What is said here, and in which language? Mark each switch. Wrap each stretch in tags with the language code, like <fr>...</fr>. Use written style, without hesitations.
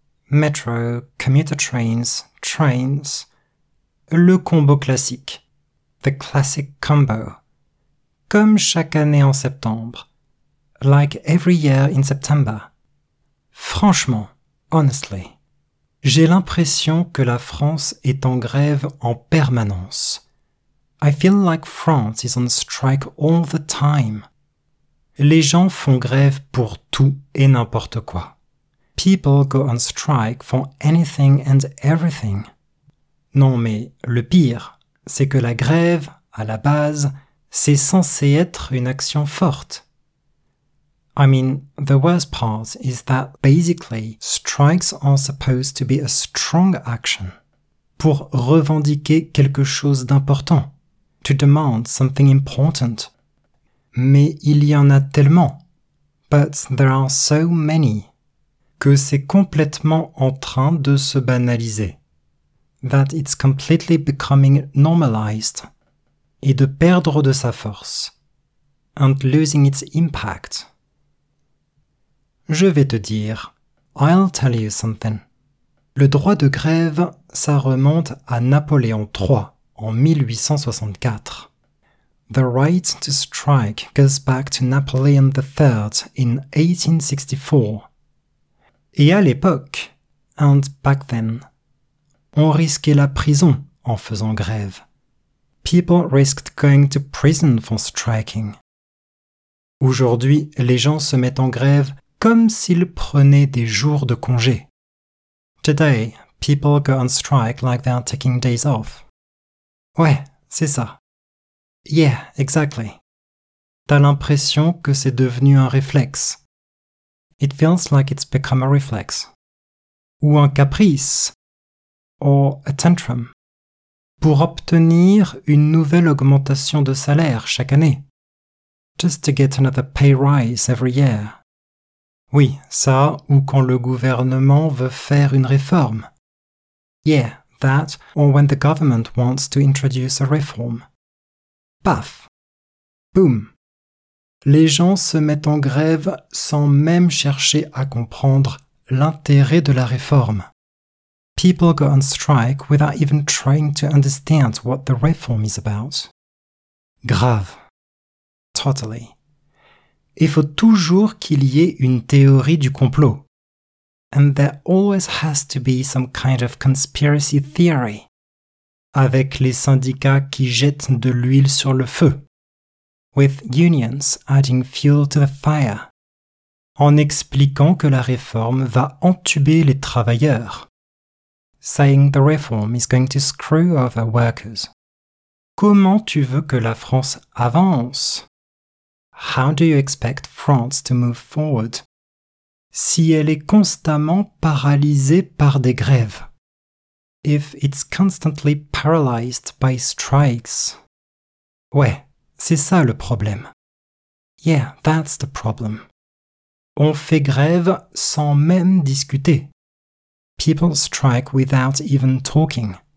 <en>Metro, commuter trains, trains.</en> <fr>Le combo classique.</fr> <en>The classic combo.</en> <fr>Comme chaque année en septembre.</fr> <en>Like every year in September.</en> <fr>Franchement,</fr> <en>honestly,</en> <fr>j'ai l'impression que la France est en grève en permanence.</fr> <en>I feel like France is on strike all the time.</en> <fr>Les gens font grève pour tout et n'importe quoi.</fr> <en>People go on strike for anything and everything.</en> <fr>Non mais le pire, c'est que la grève, à la base, c'est censé être une action forte.</fr> <en>I mean, the worst part is that basically strikes are supposed to be a strong action.</en> <fr>Pour revendiquer quelque chose d'important.</fr> <en>To demand something important.</en> <fr>Mais il y en a tellement.</fr> <en>But there are so many.</en> <fr>Que c'est complètement en train de se banaliser.</fr> <en>That it's completely becoming normalized.</en> <fr>Et de perdre de sa force.</fr> <en>and losing its impact.</en> <fr>Je vais te dire.</fr> <en>I'll tell you something.</en> <fr>Le droit de grève, ça remonte à Napoléon III en 1864.</fr> <en>The right to strike goes back to Napoleon III in 1864.</en> <fr>Et à l'époque,</fr> <en>and back then,</en> <fr>on risquait la prison en faisant grève.</fr> <en>People risked going to prison for striking.</en> <fr>Aujourd'hui, les gens se mettent en grève comme s'ils prenaient des jours de congé.</fr> <en>Today, people go on strike like they're taking days off.</en> <fr>Ouais, c'est ça.</fr> <en>Yeah, exactly.</en> <fr>T'as l'impression que c'est devenu un réflexe.</fr> <en>It feels like it's become a reflex.</en> <fr>Ou un caprice.</fr> <en>Or a tantrum.</en> <fr>Pour obtenir une nouvelle augmentation de salaire chaque année.</fr> <en>Just to get another pay rise every year.</en> <fr>Oui, ça, ou quand le gouvernement veut faire une réforme.</fr> <en>Yeah, that, or when the government wants to introduce a reform. Paf. Boom.</en> <fr>Les gens se mettent en grève sans même chercher à comprendre l'intérêt de la réforme.</fr> <en>People go on strike without even trying to understand what the reform is about.</en> <fr>Grave.</fr> <en>Totally.</en> <fr>Il faut toujours qu'il y ait une théorie du complot.</fr> <en>And there always has to be some kind of conspiracy theory.</en> <fr>Avec les syndicats qui jettent de l'huile sur le feu.</fr> <en>With unions adding fuel to the fire.</en> <fr>En expliquant que la réforme va entuber les travailleurs.</fr> <en>Saying the reform is going to screw over workers.</en> <fr>Comment tu veux que la France avance?</fr> <en>How do you expect France to move forward?</en> <fr>Si elle est constamment paralysée par des grèves.</fr> <en>If it's constantly paralyzed by strikes.</en> <fr>Ouais, c'est ça le problème.</fr> <en>Yeah, that's the problem.</en> <fr>On fait grève sans même discuter.</fr> <en>People strike without even talking.</en>